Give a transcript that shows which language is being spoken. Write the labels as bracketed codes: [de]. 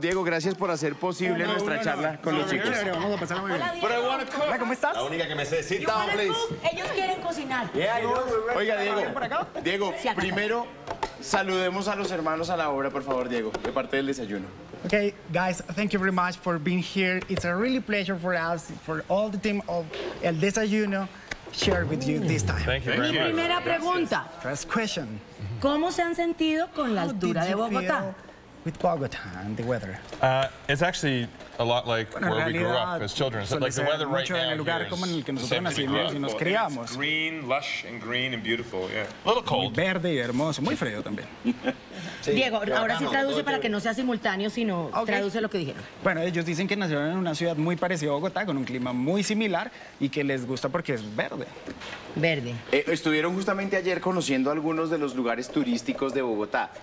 [es] Diego, gracias por hacer posible nuestra charla con los chicos. ¿Cómo estás? La única que me sé. [en] Sit down, please. [es] Ellos quieren cocinar. Oiga, Diego. Diego, primero saludemos a los hermanos a la obra, por favor, Diego, de parte del desayuno. [en] Okay, guys, thank you very much for being here. It's a really pleasure for us, for all the team of El Desayuno, share with you this time. Thank you very much. [es] Mi primera pregunta. [en] First question. [es] ¿Cómo se han sentido con la altura de Bogotá? [en] With Bogotá and the weather. It's actually a lot like where we grew up as children. So like the weather right now here is green, lush and green and beautiful. Yeah. A little cold. [es] Verde y hermoso, muy frío también. Diego, ahora sí traduce para que no sea simultáneo, sino traduce lo que dijeron. Bueno, ellos dicen que nacieron en una ciudad muy parecida a Bogotá, con un clima muy similar y que les gusta porque es verde. Verde. Estuvieron justamente ayer conociendo algunos de los lugares turísticos de Bogotá.